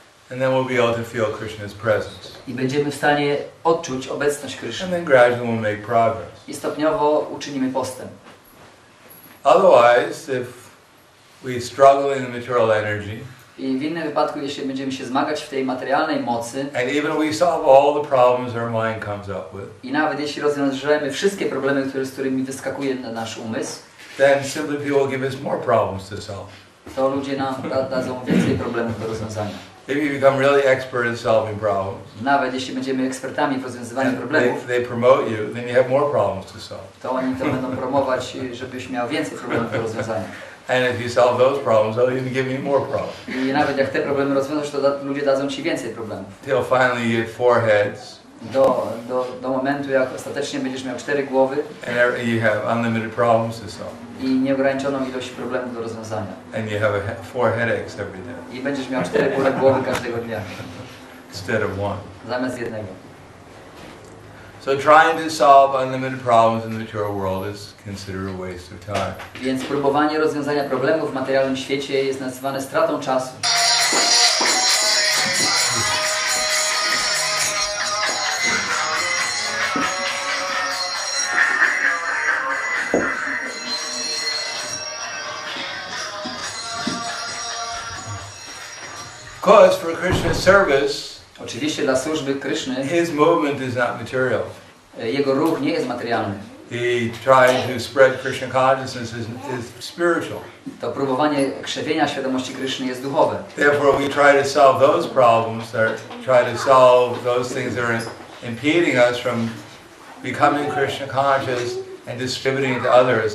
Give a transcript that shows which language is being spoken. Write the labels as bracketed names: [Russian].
[English] And then we'll be able to feel Krishna's presence. [Polish] I będziemy w stanie odczuć obecność Krishna. [English] And then gradually we'll make progress. [Polish] I stopniowo uczynimy postęp. [English] Otherwise, if we struggle in the material energy, [Polish] i w innym wypadku, jeśli będziemy się zmagać w tej materialnej mocy, [English] and even if we solve all the problems our mind comes up with, [Polish] i nawet jeśli rozwiążemy wszystkie problemy, z którymi wyskakuje na nasz umysł, [English] then simply people will give us more problems to solve. [Polish] To ludzie nam dadzą więcej problemów do rozwiązania. [English] If you become really expert in solving problems, [Polish] nawet jeśli będziemy ekspertami w rozwiązywaniu problemów, [English] they promote you, then you have more problems to solve. [Polish] To oni to będą promować, żebyś miał więcej problemów do rozwiązania. [English] And if you solve those problems, they'll even give you more problems. [Polish] I nawet jak te problemy rozwiążesz, to ludzie dadzą ci więcej problemów. [English] Till finally you have four heads. [Polish] Do momentu, jak ostatecznie będziesz miał cztery głowy. [English] And you have unlimited problems to solve. [Polish] I nieograniczoną ilość problemów do rozwiązania. [English] And you have four headaches every day. [Polish] I będziesz miał cztery bóle głowy każdego dnia. [English] Instead of one. [Polish] Zamiast jednego. [English] So trying to solve unlimited problems in the material world is considered a waste of time. [Polish] Więc próbowanie rozwiązania problemów w materialnym świecie jest nazywane stratą czasu. [English] Because for Krishna's service, [Polish] oczywiście dla służby Krishny, [English] his movement is not material. [Polish] Jego ruch nie jest materialny. [English] He trying to spread Krishna consciousness is spiritual. [Polish] To próbowanie krzewienia świadomości Krishny jest duchowe. [English] Therefore, we try to solve those problems, or try to solve those things that are impeding us from becoming Krishna conscious and distributing to others.